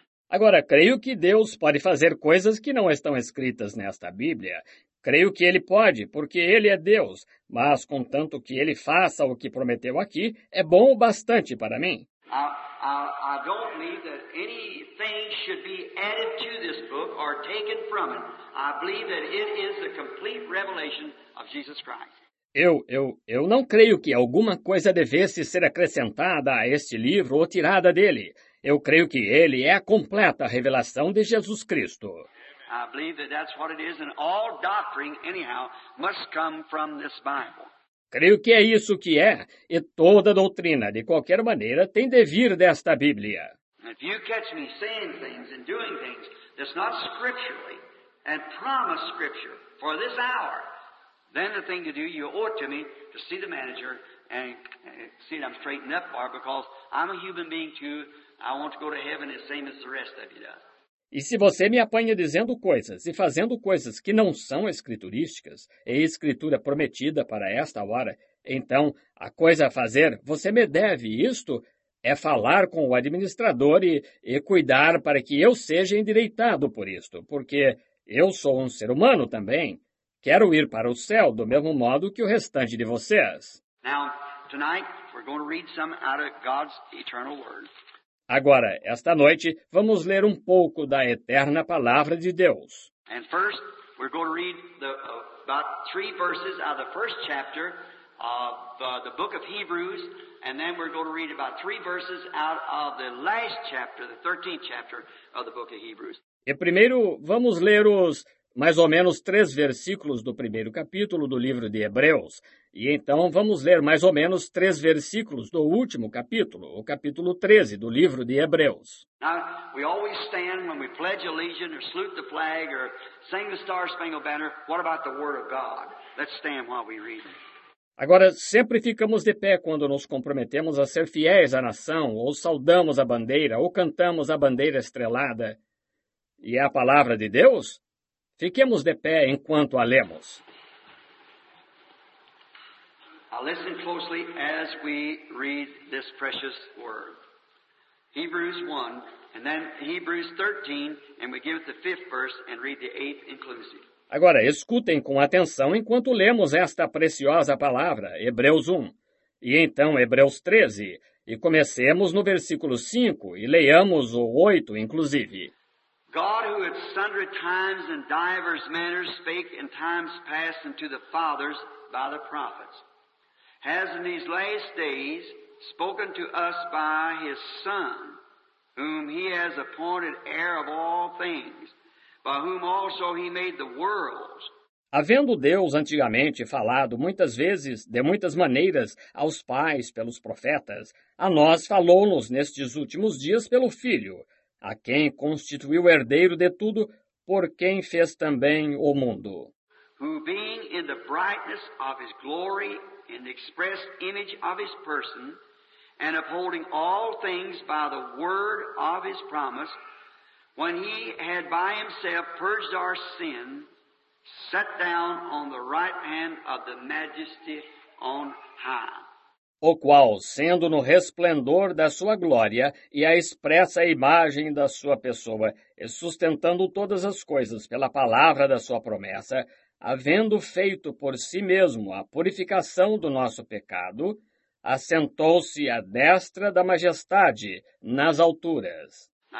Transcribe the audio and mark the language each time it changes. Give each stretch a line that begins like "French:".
Portuguese: Agora, creio que Deus pode fazer coisas que não estão escritas nesta Bíblia. Creio que Ele pode, porque Ele é Deus. Mas, contanto que Ele faça o que prometeu aqui, é bom o bastante para mim.
English: I don't believe that anything should be added to this book or taken from it. I believe that it is the complete revelation of Jesus Christ.
Portuguese: Eu não creio que alguma coisa devesse ser acrescentada a este livro ou tirada dele. Eu creio que ele é a completa revelação de Jesus Cristo.
English: I believe that that's what it is, and all doctrine, anyhow, must come from this Bible.
Portuguese: Creio que é isso que é, e toda doutrina, de qualquer maneira, tem de vir desta Bíblia.
English: If you catch me saying things and doing things that's not scripturally and promise scripture for this hour, then the thing to do, you owe it to me to see the manager and see that I'm straightened up for, because I'm a human being too. I want to go to heaven the same as the rest of you does.
Portuguese: E se você me apanha dizendo coisas e fazendo coisas que não são escriturísticas e escritura prometida para esta hora, então a coisa a fazer, você me deve isto, é falar com o administrador e cuidar para que eu seja endireitado por isto, porque eu sou um ser humano também. Quero ir para o céu do mesmo modo que o restante de vocês.
English: Now, tonight, we're going to read some out of God's eternal word.
Portuguese: Agora, esta noite, vamos ler um pouco da eterna palavra de Deus.
English: And first, we're going to read about three verses out of the first chapter of the book of Hebrews, and then we're going to read about three verses out of the last chapter, the 13th chapter of the book of Hebrews.
Portuguese: E primeiro, vamos ler os mais ou menos três versículos do primeiro capítulo do livro de Hebreus. E então vamos ler mais ou menos três versículos do último capítulo, o capítulo 13 do livro de Hebreus.
English: Now, we always stand when we pledge allegiance or salute the flag or sing the Star-Spangled Banner. What about the Word of God? Let's stand while we read it.
Portuguese: Agora, sempre ficamos de pé quando nos comprometemos a ser fiéis à nação, ou saudamos a bandeira, ou cantamos a bandeira estrelada. E a palavra de Deus? Fiquemos de pé enquanto a lemos.
English: I'll listen closely as we read this precious word. Hebrews 1, and then Hebrews 13, and we give it the fifth verse and read the eighth inclusive.
Portuguese: Agora, escutem com atenção enquanto lemos esta preciosa palavra, Hebreus 1, e então Hebreus 13, e comecemos no versículo 5 e leamos o 8 inclusive.
English: God, who at sundry times and divers manners spake in times past unto the fathers by the prophets, has in these last days spoken to us by his Son, whom he has appointed heir of all things, by whom also he made the worlds.
Portuguese: Havendo Deus antigamente falado muitas vezes, de muitas maneiras, aos pais pelos profetas, a nós falou-nos nestes últimos dias pelo Filho, a quem constituiu herdeiro de tudo, por quem fez também o mundo.
English: Who being in the brightness of his glory and the express image of his person, and upholding all things by the word of his promise, when he had by himself purged our sin, sat down on the right hand of the majesty on high.
Portuguese: O qual, sendo no resplendor da sua glória e a expressa imagem da sua pessoa, e sustentando todas as coisas pela palavra da sua promessa, havendo feito por si mesmo a purificação do nosso pecado, assentou-se à destra da majestade nas alturas.